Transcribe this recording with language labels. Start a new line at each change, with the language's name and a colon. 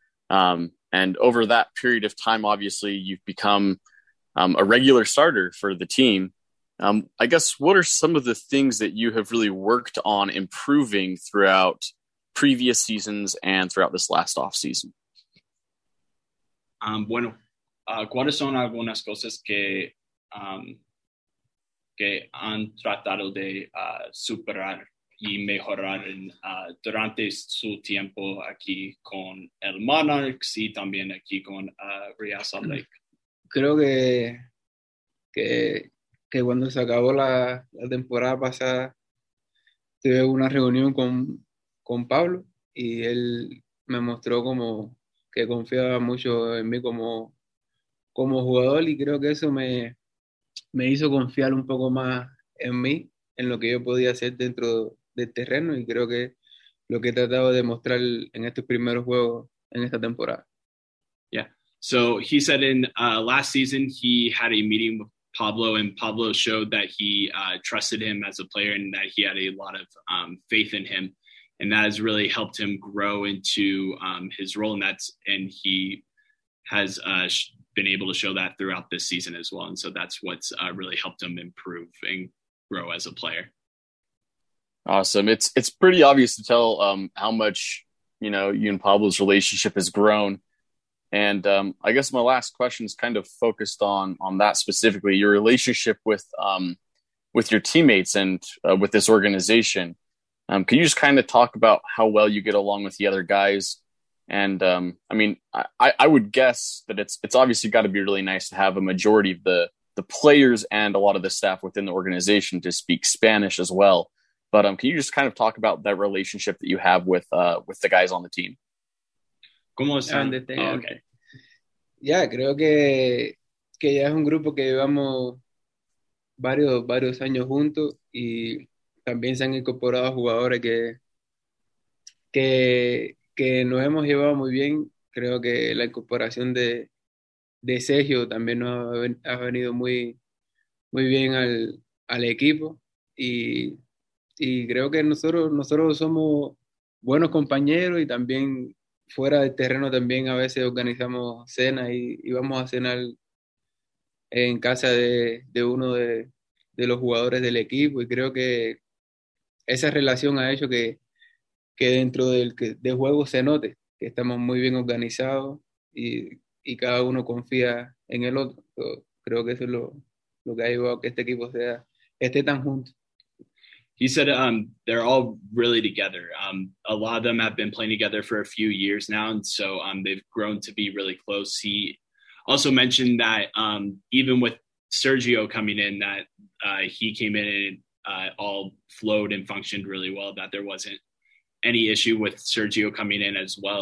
English: And over that period of time, obviously, you've become a regular starter for the team. I guess, what are some of the things that you have really worked on improving throughout previous seasons and throughout this last offseason?
Spanish: ¿Cuáles son algunas cosas que han tratado de superar y mejorar durante su tiempo aquí con el Monarchs y también aquí con Real Salt Lake? Creo que cuando se acabó la temporada pasada, tuve una reunión con Pablo y él me mostró como que confiaba mucho en mí como jugador y creo que eso me hizo confiar un poco más en mí, en lo que yo podía hacer dentro del terreno y creo que lo que he tratado de mostrar en estos primeros juegos en esta temporada.
English: Yeah, so he said in last season he had a meeting with Pablo and Pablo showed that he trusted him as a player and that he had a lot of faith in him. And that has really helped him grow into his role. And he has been able to show that throughout this season as well. And so that's what's really helped him improve and grow as a player. Awesome. It's pretty obvious to tell how much, you know, you and Pablo's relationship has grown. And I guess my last question is kind of focused on that specifically, your relationship with your teammates and with this organization. Can you just kind of talk about how well you get along with the other guys? And I mean, I would guess that it's obviously got to be really nice to have a majority of the players and a lot of the staff within the organization to speak Spanish as well. But can you just kind of talk about that relationship that you have with the guys on the team?
Spanish: ¿Cómo están? Oh,
English: okay.
Spanish: Ya, creo que ya es un grupo que llevamos varios años juntos y también se han incorporado jugadores que nos hemos llevado muy bien. Creo que la incorporación de Sergio también nos ha venido muy bien al equipo y creo que nosotros somos buenos compañeros y también fuera del terreno también a veces organizamos cena y vamos a cenar en casa de uno de los jugadores del equipo y creo que esa relación ha hecho que dentro del juego se note que estamos muy bien organizados y cada uno confía en el otro. So, creo que eso es lo que ha llevado a que este equipo esté tan junto.
English: He said they're all really together. A lot of them have been playing together for a few years now, and so they've grown to be really close. He also mentioned that even with Sergio coming in, that he came in and all flowed and functioned really well, that there wasn't any issue with Sergio coming in as well.